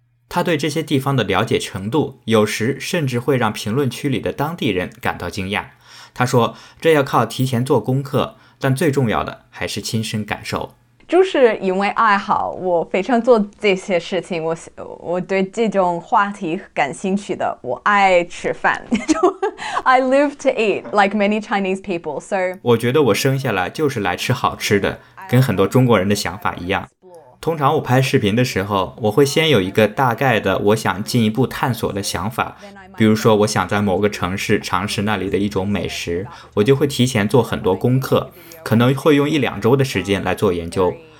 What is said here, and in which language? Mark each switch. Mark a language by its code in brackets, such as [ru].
[zh] 她对这些地方的了解程度，有时甚至会让评论区里的当地人感到惊讶。她说，这要靠提前做功课，但最重要的还是亲身感受。就是因为爱好，我非常做这些事情。我对这种话题感兴趣的，我爱吃饭。 [en] I live to eat like many Chinese people. So [zh] 我觉得我生下来就是来吃好吃的，跟很多中国人的想法一样。通常我拍视频的时候，我会先有一个大概的我想进一步探索的想法。比如说我想在某个城市尝试那里的一种美食，我就会提前做很多功课，可能会用一两周的时间来做研究。